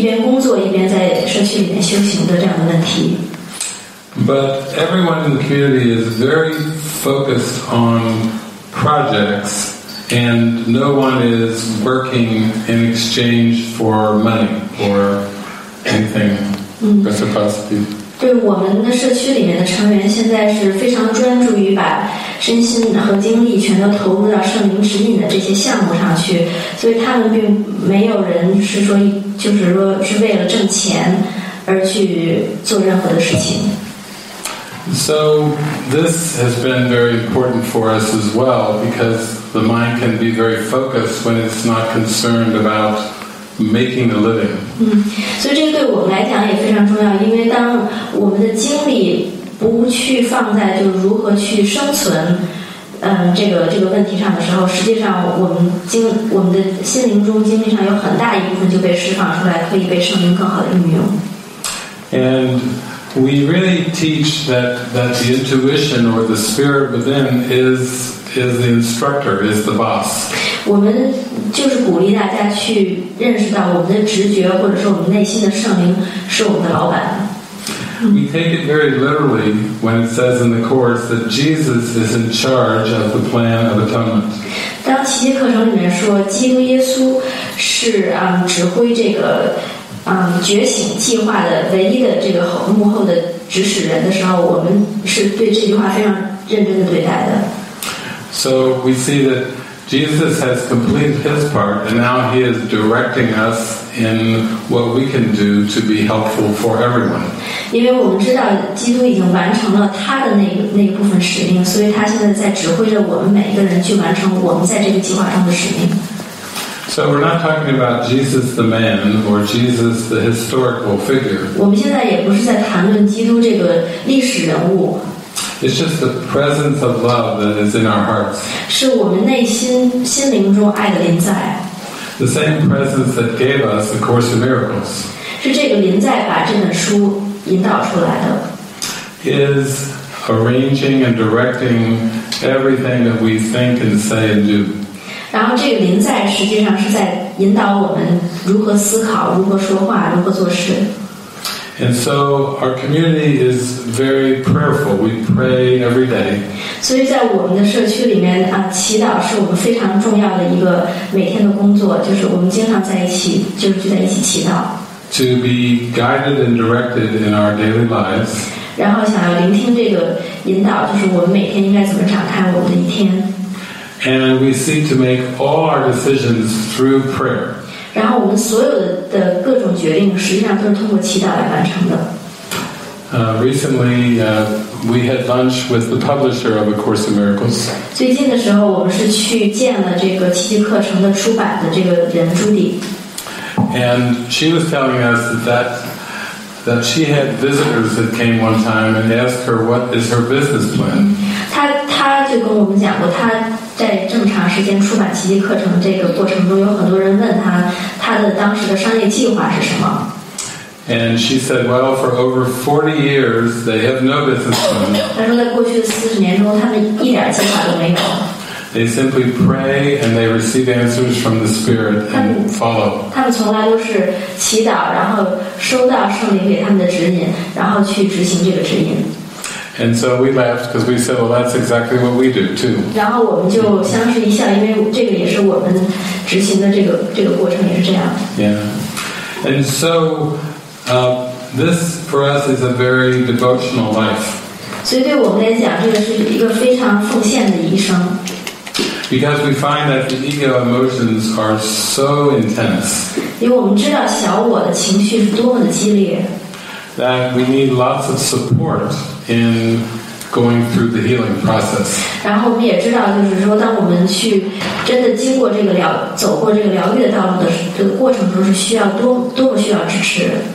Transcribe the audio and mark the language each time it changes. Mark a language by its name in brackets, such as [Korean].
[Chinese] 那么就是我们刚刚到北京的时候，也有朋友问我们，就是说能不能了解一下你们的奇迹社区有没有人是一边工作一边在社区里面修行的这样的问题。 [English] But everyone in the community is very focused on projects, and no one is working in exchange for money or anything reciprocity. [Chinese] 对我们的社区里面的成员，现在是非常专注于把身心和精力全都投入到圣灵指引的这些项目上去，所以他们并没有人是说，就是说是为了挣钱而去做任何的事情。 [English] So this has been very important for us as well, because the mind can be very focused when it's not concerned about making a living. [Chinese] 所以这个对我们来讲也非常重要，因为当我们的精力不去放在就如何去生存，这个问题上的时候，实际上我们的心灵中精力上有很大一部分就被释放出来，可以被圣灵更好的运用。 [English] And we really teach that the intuition or the spirit within is the instructor, is the boss. [Chinese] 我们就是鼓励大家去认识到我们的直觉或者说我们内心的圣灵是我们的老板。 [English] We take it very literally when it says in the Course that Jesus is in charge of the plan of atonement. [Chinese] 当奇迹课程里面说基督耶稣是指挥这个觉醒计划的唯一的这个幕后的指使人的时候，我们是对这句话非常认真的对待的。 [English] So we see that Jesus has completed his part, and now he is directing us in what we can do to be helpful for everyone. [Chinese] 因为我们知道基督已经完成了他的那部分使命，所以他现在在指挥着我们每一个人去完成我们在这个计划中的使命。 [English] So we're not talking about Jesus the man or Jesus the historical figure. [Chinese] 我们现在也不是在谈论基督这个历史人物。 [English] It's just the presence of love that is in our hearts. [Chinese] 是我们内心心灵中爱的临在。 [English] The same presence that gave us the Course in Miracles. [Chinese] 是这个临在把这本书引导出来的。 [English] Is arranging and directing everything that we think and say and do. [Chinese] 然后这个临在实际上是在引导我们如何思考，如何说话，如何做事。 [English] And so our community is very prayerful. We pray every day. [Chinese] 所以在我们的社区里面啊，祈祷是我们非常重要的一个每天的工作，就是我们经常在一起，就是聚在一起祈祷。 [English] To be guided and directed in our daily lives. [Chinese] 然后想要聆听这个引导，就是我们每天应该怎么展开我们的一天。 [English] And we seek to make all our decisions through prayer. [Chinese] 然后我们所有的各种决定实际上都是通过祈祷来完成的。 [English] Recently, we had lunch with the publisher of A Course in Miracles. [Chinese] 最近的时候我们是去见了这个奇迹课程的出版的这个人朱迪。 [English] And she was telling us that she had visitors that came one time and asked her what is her business plan. [Chinese] 她就跟我们讲过她在正常时间出版奇迹课程这个过程中有很多人问他的当时的商业计划是什么。 [English] And she said, well, for over 40 years, they have no business plan. [Chinese] 他说在过去的40年中他们一点计划都没有。 [English] They simply pray and they receive answers from the Spirit and follow. [Chinese] 他们从来都是祈祷然后收到圣灵给他们的指引然后去执行这个指引。 [English] And so we laughed because we said, well, that's exactly what we do, too. [Chinese] 然后我们就相视一笑，因为这个也是我们执行的这个过程也是这样。 [English] Yeah. And so, this for us is a very devotional life. [Chinese] 所以对我们来讲，这个是一个非常奉献的一生。 [English] Because we find that the ego emotions are so intense. [Chinese] 因为我们知道小我的情绪是多么的激烈。 [English] That we need lots of support. In going through the healing process. [Chinese] 然后我们也知道，就是说，当我们去真的经过这个疗，走过这个疗愈的道路的这个过程中，是需要多么需要支持。